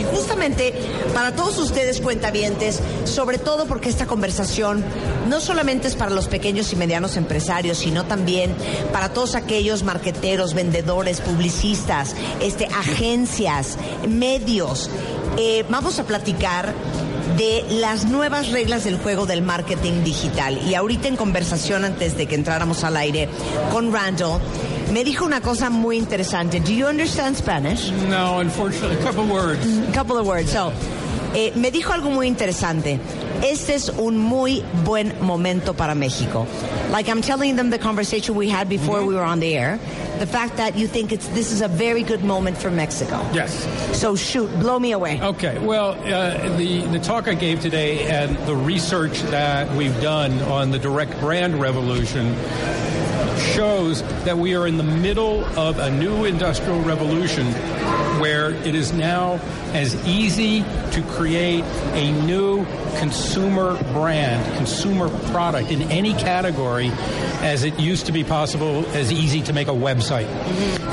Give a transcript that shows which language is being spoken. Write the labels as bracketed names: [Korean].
[Spanish] Y justamente para todos ustedes cuentavientes, sobre todo porque esta conversación no solamente es para los pequeños y medianos empresarios, sino también para todos aquellos marqueteros, vendedores, publicistas, agencias, medios. Vamos a platicar de las nuevas reglas del juego del marketing digital. Y ahorita en conversación, antes de que entráramos al aire con Randall, me dijo una cosa muy interesante. [English] Do you understand Spanish? No, unfortunately. A couple of words. [Spanish] So, me dijo algo muy interesante. Este es un muy buen momento para México. [English] Like I'm telling them the conversation we had before we were on the air. The fact that you think this is a very good moment for Mexico. Yes. So shoot, blow me away. Okay. Well, the talk I gave today and the research that we've done on the direct brand revolution shows that we are in the middle of a new industrial revolution where it is now as easy to create a new consumer brand, consumer product in any category as it used to be possible, as easy to make a website. Mm-hmm.